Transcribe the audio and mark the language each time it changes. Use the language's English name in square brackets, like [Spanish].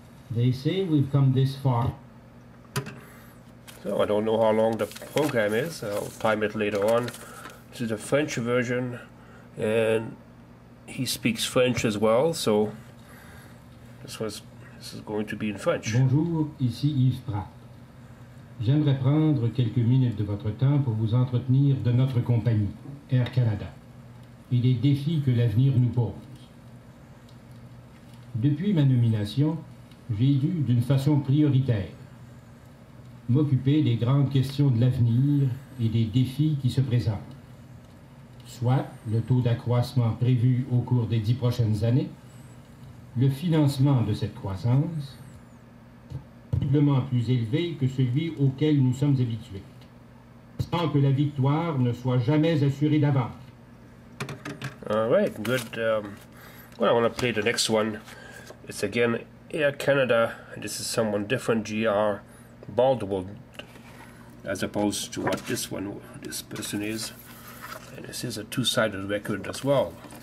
[English] They say we've come this far. So, I don't know how long the program is. I'll time it later on. This is a French version, and he speaks French as well, so this is going to be in French. [French] Bonjour, ici Yves Pratt. J'aimerais prendre quelques minutes de votre temps pour vous entretenir de notre compagnie, Air Canada, et des défis que l'avenir nous pose. Depuis ma nomination, j'ai dû, d'une façon prioritaire, m'occuper des grandes questions de l'avenir et des défis qui se présentent. Soit le taux d'accroissement prévu au cours des 10 prochaines années, le financement de cette croissance, probablement plus élevé que celui auquel nous sommes habitués, sans que la victoire ne soit jamais assurée d'avance. [English] All right, good. Well, I want to play the next one. It's again Air Canada, and this is someone different, G.R. Baldwin, as opposed to what this person is. And this is a two-sided record as well.